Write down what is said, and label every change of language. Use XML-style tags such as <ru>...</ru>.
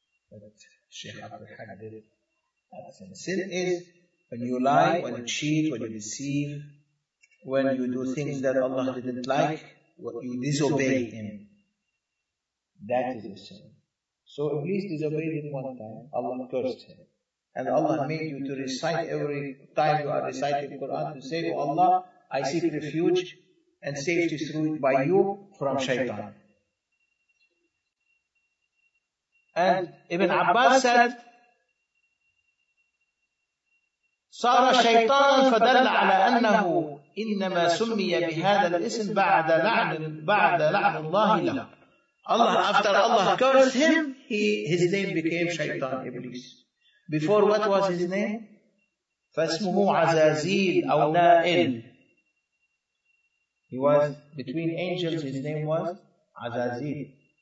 <en>That Sheikh Abdul Haq did it. That's the sin is when you lie, when you cheat, when you deceive, when you do things that Allah didn't like, what you disobey Him. That is the sin. So Iblis disobeyed Him one time, Allah cursed him. And Allah made you to recite every time you are reciting the Quran to say, oh Allah, I seek refuge and safety through by you from shaitan. And Ibn Abbas said,</en> <ar>صَارَ شَيْطَانًا فَدَلَّ عَلَىٰ أَنَّهُ إِنَّمَا سُمِّيَ بِهَذَا الْإِسْمِ بَعْدَ لَعْنِ اللَّهِ لَهُ.</ar> <en>Allah, after Allah cursed him, his name became Shaytan, Iblis. Before what was his name?</en> <ar>فَاسْمُهُ عَزَازِيلٌ أَوْ نَائِلٌ.</ar> <en>He was, between angels, his name was Azazil.</en>